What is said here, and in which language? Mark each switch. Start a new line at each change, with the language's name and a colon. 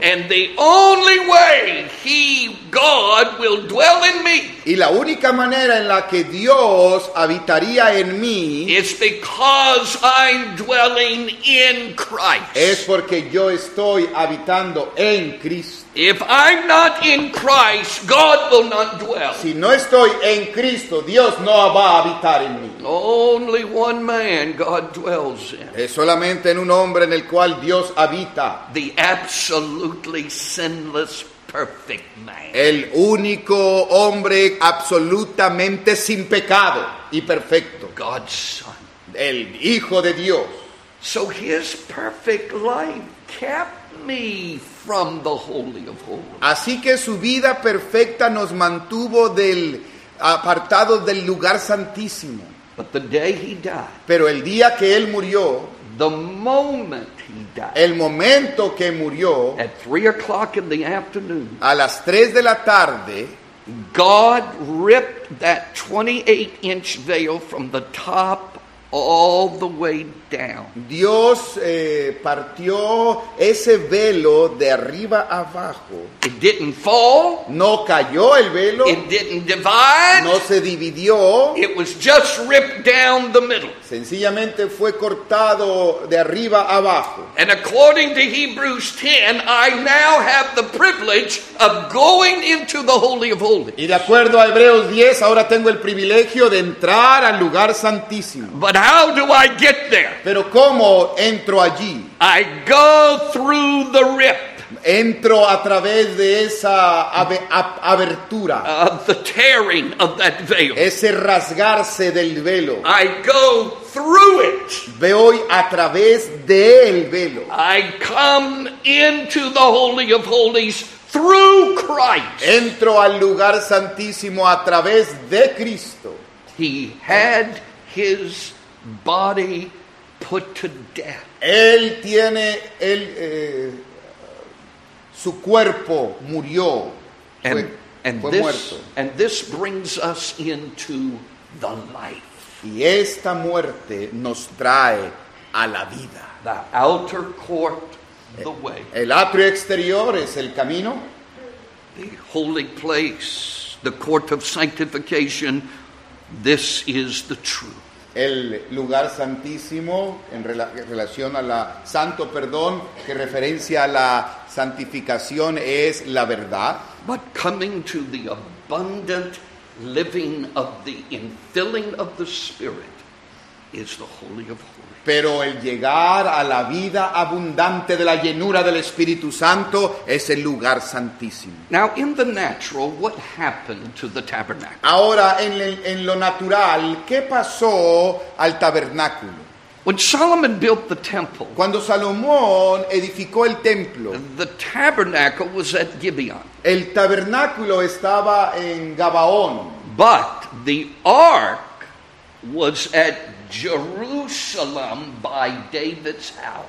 English: And the only way he, God, will dwell in me.
Spanish: Y la única manera en la que Dios habitaría en mí.
English: Is because I'm dwelling in Christ.
Spanish: Es porque yo estoy habitando en Cristo.
English: If I'm not in Christ, God will not dwell.
Spanish: Si no estoy en Cristo, Dios no va a habitar en mí.
English: Only one man God dwells in.
Spanish: Es solamente en un hombre en el cual Dios habita.
English: The absolutely sinless, perfect man.
Spanish: El único hombre absolutamente sin pecado y perfecto.
English: God's Son.
Spanish: El Hijo de Dios.
English: So his perfect life kept me from the Holy of Holies.
Spanish: Así que su vida perfecta nos mantuvo del apartado del lugar santísimo.
English: But the day he died.
Spanish: Pero el día que él murió.
English: The moment he died.
Spanish: El momento que murió.
English: At 3:00 in the afternoon.
Spanish: A las 3 de la tarde.
English: God ripped that 28-inch veil from the top all the way down.
Spanish: Dios partió ese velo de arriba abajo.
English: It didn't fall.
Spanish: No cayó el velo.
English: It didn't divide.
Spanish: No se dividió.
English: It was just ripped down the middle.
Spanish: Sencillamente fue cortado de arriba abajo.
English: And according to Hebrews 10, I now have the privilege of going into the Holy of Holies.
Spanish: Y de acuerdo a Hebreos 10, ahora tengo el privilegio de entrar al lugar santísimo.
English: But how do I get there?
Spanish: Pero ¿cómo entro allí?
English: I go through the rip.
Spanish: Entro a través de esa abertura.
English: The tearing of that veil.
Spanish: Ese rasgarse del velo.
English: I go through it.
Spanish: Voy a través del velo.
English: I come into the Holy of Holies through Christ.
Spanish: Entro al lugar santísimo a través de Cristo.
English: He had his body put to death.
Spanish: Él tiene el su cuerpo murió.
English: And this brings us into the life.
Spanish: Y esta muerte nos trae a la vida.
English: The outer court, the way.
Spanish: El atrio exterior es el camino.
English: The holy place, the court of sanctification, this is the truth.
Spanish: El lugar santísimo en relación a la santo perdón que referencia a la santificación es la verdad.
English: But coming to the abundant living of the infilling of the Spirit is the Holy of Holies.
Spanish: Pero el llegar a la vida abundante de la llenura del Espíritu Santo es el lugar santísimo.
English: Now in the natural, what happened to the tabernacle?
Spanish: Ahora en lo natural, ¿qué pasó al tabernáculo?
English: When Solomon built the temple,
Spanish: cuando Salomón edificó el templo,
English: the tabernacle was at Gibeon.
Spanish: El tabernáculo estaba en Gabaón.
English: But the ark was at Jerusalem by David's house.